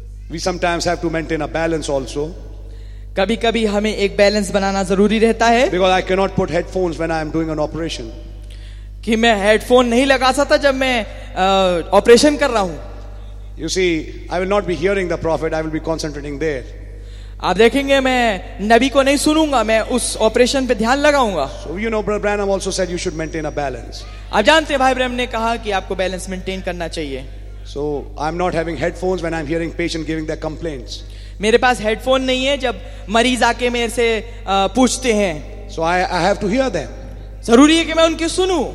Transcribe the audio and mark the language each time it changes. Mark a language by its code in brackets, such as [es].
[en] We sometimes have to maintain a balance also. [hi] कभी कभी हमें एक balance बनाना जरूरी रहता है. [en] Because I cannot put headphones when I am doing an operation. [hi] कि मैं headphone नहीं लगा सकता जब मैं operation कर रहा हूँ. [en] You see, I will not be hearing the prophet. I will be concentrating there. [hi] आप देखेंगे मैं नबी को नहीं सुनूंगा मैं उस operation पे ध्यान लगाऊंगा. [en] So you know, Brother Branham also said you should maintain a balance. [hi] आप जानते हैं भाई ब्रह्म ने कहा कि आपको balance maintain करना चाहिए. [en] So I'm not having headphones when I'm hearing patient giving their complaints. [hi] मेरे पास हेडफोन नहीं है जब मरीज आके मेरे से पूछते हैं. [en] So I have to hear them. [hi] जरूरी है कि मैं उनके सुनूं.